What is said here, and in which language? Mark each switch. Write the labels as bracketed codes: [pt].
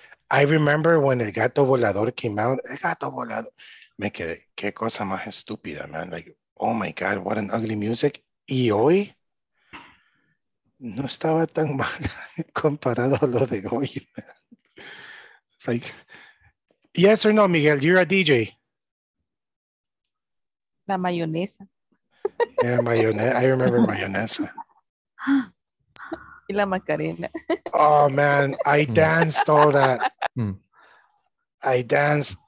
[en] I remember when El Gato Volador came out. El Gato Volador. [es] Me quedé. Qué cosa más estúpida, [en] man. Like, oh my God, what an ugly music. [es] Y hoy... no estaba tan mal comparado a lo de hoy. [en] It's like, yes or no, Miguel, you're a DJ. [es] La mayonesa. [en] Yeah, mayonesa. I remember mayonesa. [es] Y la macarena. [en] Oh, man, I danced all that. I danced.